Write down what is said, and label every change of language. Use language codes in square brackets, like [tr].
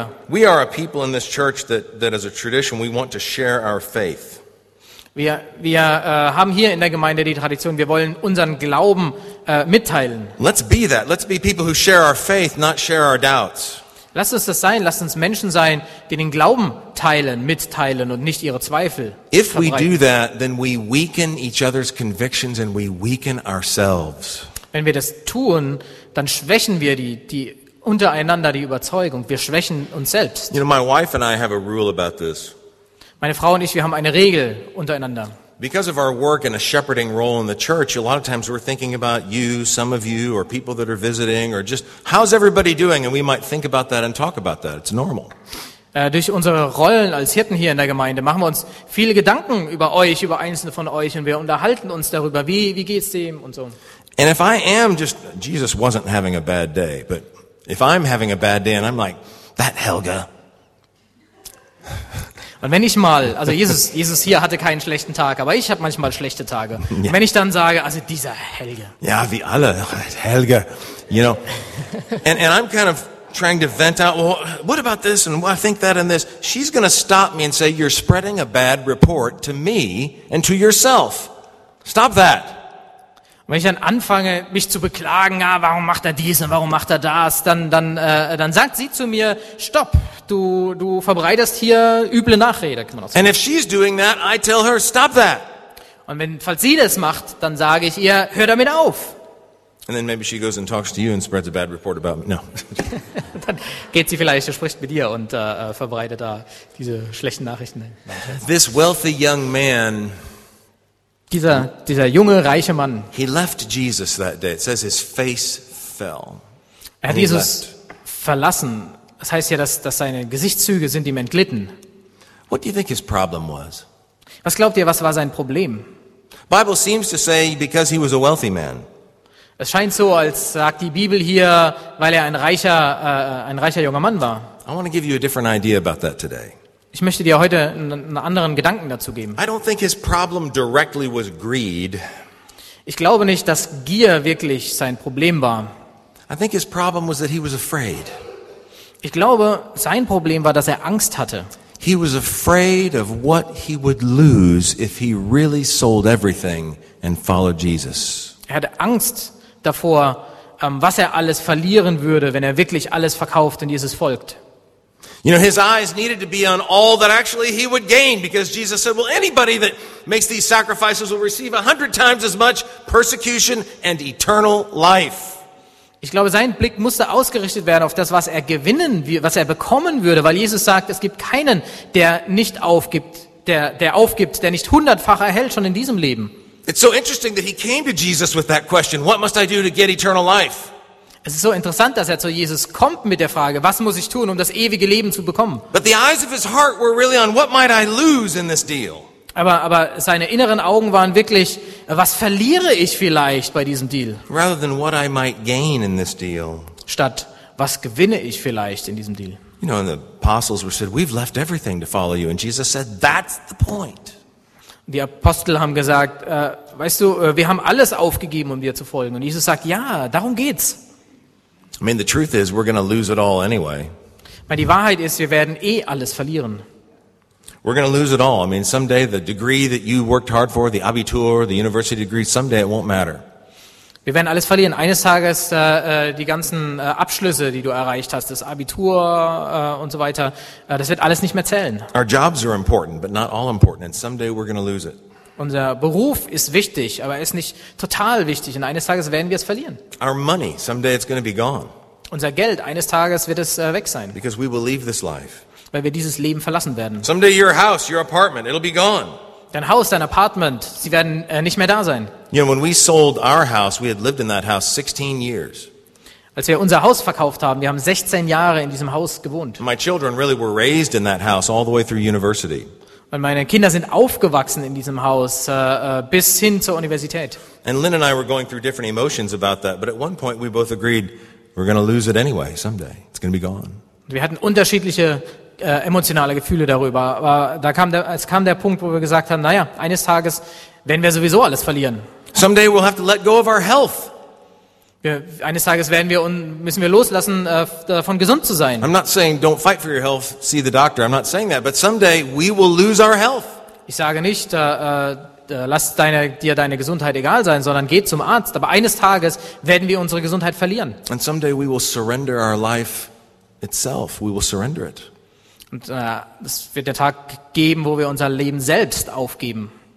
[en] You know, we are a people in this church that as a tradition we want to share our faith. [de] Wir haben hier in der Gemeinde die Tradition, wir wollen unseren Glauben mitteilen. [en] Let's be that. Let's be people who share our faith, not share our doubts. [de] Lasst uns das sein. Lasst uns Menschen sein, die den Glauben teilen, mitteilen und nicht ihre Zweifel verbreiten. [en] If we do that, then we weaken each other's convictions and we weaken ourselves. [de] Wenn wir das tun, dann schwächen wir die untereinander die Überzeugung. Wir schwächen uns selbst. [en] You know, my wife and I have a rule about this. [de] Meine Frau und ich, wir haben eine Regel untereinander. [en] Because of our work and a shepherding role in the church, a lot of times we're thinking about you, some of you, or people that are visiting, or just how's everybody doing? And we might think about that and talk about that. It's normal. [de] Durch unsere Rollen als Hirten hier in der Gemeinde machen wir uns viele Gedanken über euch, über einzelne von euch, und wir unterhalten uns darüber, wie geht's dem und so. [en] And if I am just Jesus wasn't having a bad day, but if I'm having a bad day and I'm like that Helga. [de] Und wenn ich mal, also Jesus hier hatte keinen schlechten Tag, aber ich habe manchmal schlechte Tage. Und wenn ich dann sage, also dieser Helge. Ja, wie alle, Helge, [en] you know. And I'm kind of trying to vent out, well, what about this and I think that and this. She's going to stop me and say, you're spreading a bad report to me and to yourself. Stop that. [de] Und wenn ich dann anfange, mich zu beklagen, ah, warum macht er dies und warum macht er das, dann sagt sie zu mir, stopp, du verbreitest hier üble Nachrede, kann man auch sagen. [en] And if she's doing that, I tell her, stop that. [de] Und wenn, falls sie das macht, dann sage ich ihr, hör damit auf. [en] And then maybe she goes and talks to you and spreads a bad report about me. No. [de] Dann geht sie vielleicht und spricht mit dir und verbreitet da diese schlechten Nachrichten. [en] This wealthy young man. [de] Dieser junge reiche Mann. [en] He left Jesus that day. It says his face fell. [de] Er hat Jesus verlassen. Das heißt ja, dass seine Gesichtszüge sind ihm entglitten. [en] What do you think his problem was? [de] Was glaubt ihr, was war sein Problem? [en] Bible seems to say because he was a wealthy man. [de] Es scheint so, als sagt die Bibel hier, weil er ein reicher junger Mann war. [en] I want to give you a different idea about that today. [de] Ich möchte dir heute einen anderen Gedanken dazu geben. [en] I don't think his problem directly was greed. [de] Ich glaube nicht, dass Gier wirklich sein Problem war. [en] I think his problem was that he was afraid. [de] Ich glaube, sein Problem war, dass er Angst hatte. [en] He was afraid of what he would lose if he really sold everything and followed Jesus. [de] Er hatte Angst davor, was er alles verlieren würde, wenn er wirklich alles verkauft und Jesus folgt. [en] You know, his eyes needed to be on all that actually he would gain, because Jesus said, well, anybody that makes these sacrifices will receive 100 times as much persecution and eternal life. [de] Ich glaube, sein Blick musste ausgerichtet werden auf das, was er gewinnen, was er bekommen würde, weil Jesus sagt, es gibt keinen, der nicht aufgibt, der aufgibt, der nicht hundertfach erhält schon in diesem Leben. [en] It's so interesting that he came to Jesus with that question. What must I do to get eternal life? [de] Es ist so interessant, dass er zu Jesus kommt mit der Frage, was muss ich tun, um das ewige Leben zu bekommen? [en] But the eyes of his heart were really on what might I lose in this deal? [de] Aber seine inneren Augen waren wirklich, was verliere ich vielleicht bei diesem Deal? [en] Rather than what I might gain in this deal. [de] Statt was gewinne ich vielleicht in diesem Deal? [en] You know, and the apostles were said, we've left everything to follow you, and Jesus said, that's the point. [de] Die Apostel haben gesagt, weißt du, wir haben alles aufgegeben, um dir zu folgen. Und Jesus sagt, ja, darum geht's. [en] I mean, the truth is, we're going to lose it all anyway. [de] Weil die Wahrheit ist, wir werden eh alles verlieren. [en] We're going to lose it all. I mean, someday the degree that you worked hard for, the Abitur, the university degree, someday it won't matter. [de] Wir werden alles verlieren. Eines Tages die ganzen Abschlüsse, die du erreicht hast, das Abitur und so weiter, das wird alles nicht mehr zählen. [en] Our jobs are important, but not all important, and someday we're going to lose it. [de] Unser Beruf ist wichtig, aber er ist nicht total wichtig, und eines Tages werden wir es verlieren. [en] Our money, someday it's going to be gone. [de] Unser Geld, eines Tages wird es weg sein. [en] Because we will leave this life. [de] Weil wir dieses Leben verlassen werden. [en] Someday your house, your apartment, it'll be gone. [de] Dein Haus, dein Apartment, sie werden nicht mehr da sein. [en] You know, when we sold our house, we had lived in that house 16 years. [de] Als wir unser Haus verkauft haben, wir haben 16 Jahre in diesem Haus gewohnt. [en] My children really were raised in that house all the way through university. [de] Und meine Kinder sind aufgewachsen in diesem Haus bis hin zur Universität. [en] And Lynn and I were going through different emotions about that, but at one point we both agreed we're going to lose it anyway someday. It's going to be gone. [de] Wir hatten unterschiedliche emotionale Gefühle darüber, aber da kam der, es kam der Punkt, wo wir gesagt haben, naja, eines Tages werden wir sowieso alles verlieren. [en] Someday we'll have to let go of our health. [de] Eines Tages werden wir und müssen wir loslassen, davon gesund zu sein. [en] I'm not saying don't fight for your health, see the doctor. I'm not saying that, but someday we will lose our health. [de] Ich sage nicht, lass deine Gesundheit egal sein, sondern geh zum Arzt. Aber eines Tages werden wir unsere Gesundheit verlieren. [en] And someday we will surrender our life itself. We will surrender it. [de] Und es wird der Tag geben, wo wir unser Leben selbst aufgeben.